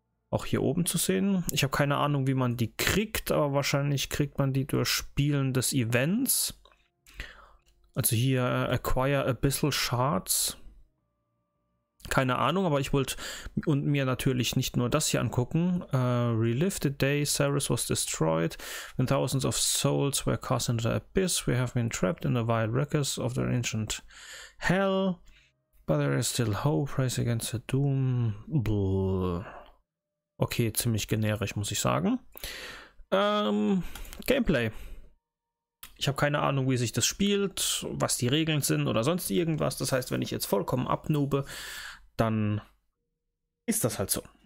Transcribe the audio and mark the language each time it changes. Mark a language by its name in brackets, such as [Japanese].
[German] Auch hier oben zu sehen. Ich habe keine Ahnung, wie man die kriegt, aber wahrscheinlich kriegt man die durch Spielen des Events. Also hier Acquire Abyssal Shards. Keine Ahnung, aber ich wollte und mir natürlich nicht nur das hier angucken. [English] Relive the day Ceres was destroyed. When thousands of souls were cast into the abyss, we have been trapped in the vile wreckers of the ancient hell. But there is still hope, race against the doom. Bleh. [German] Okay, ziemlich generisch, muss ich sagen. Gameplay. Ich habe keine Ahnung, wie sich das spielt, was die Regeln sind oder sonst irgendwas. Das heißt, wenn ich jetzt vollkommen abnobe, dann ist das halt so.